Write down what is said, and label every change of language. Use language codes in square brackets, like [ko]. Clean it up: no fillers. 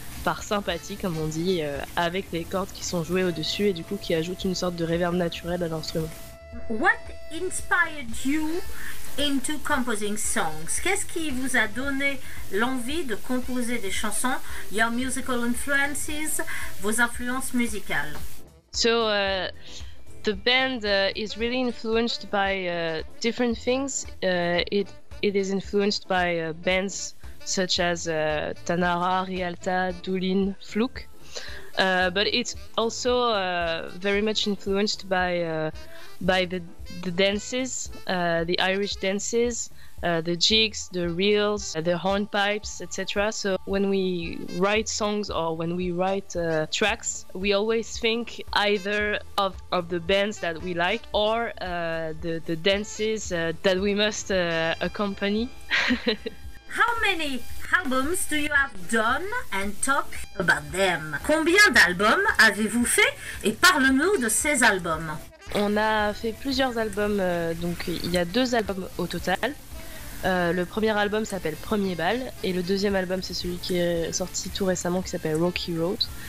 [fr] par sympathie, comme on dit, avec les cordes qui sont jouées au-dessus et du coup qui ajoutent une sorte de réverb naturel à l'instrument. [en] What inspired you into composing songs? [fr] Qu'est-ce qui vous a donné l'envie de composer des chansons? [en] Your musical influences, [fr] vos influences musicales? [en] So, the band is really influenced by different things. It is influenced by bands such as Tanara, Rialta, Doolin, Flouk. But it's also very much influenced by the dances, the Irish dances, the jigs, the reels, the hornpipes, etc. So when we write songs or when we write tracks, we always think either of the bands that we like or the dances that we must accompany. How many albums do you have done and talk about them? [fr] Combien d'albums avez-vous fait et parle-nous de ces albums? On a fait plusieurs albums, donc il y a deux albums au total. Le premier album s'appelle Premier Bal et le deuxième album c'est celui qui est sorti tout récemment qui s'appelle Rocky Road.